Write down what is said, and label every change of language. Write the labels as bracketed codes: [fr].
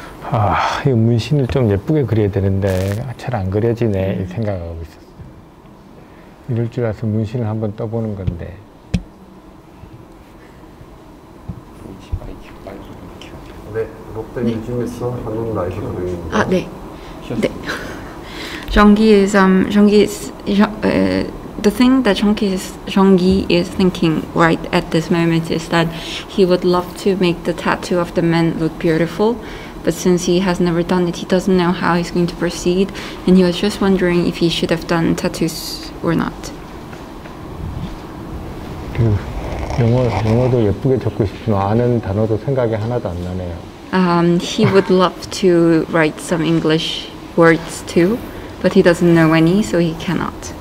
[ko] 아, 이 문신을 좀 예쁘게 그려야 되는데 잘 안 그려지네 생각하고 있었어요. 이럴 줄 알아서 문신을 한번 떠보는 건데. 네, 록댐 유진에서 한국 라이브 그림입니다. 아, 네. 네. [en] 정기 is the thing that Jeonggi is thinking right at this moment is that he would love to make the tattoo of the man look beautiful, but since he has never done it, he doesn't know how he's going to proceed, and he was just wondering if he should have done tattoos or not. [ko] 영어도 예쁘게 적고 싶지만 아는 단어도 생각이 하나도 안 나네요. [en] He would love to write some English words too, but he doesn't know any, so he cannot.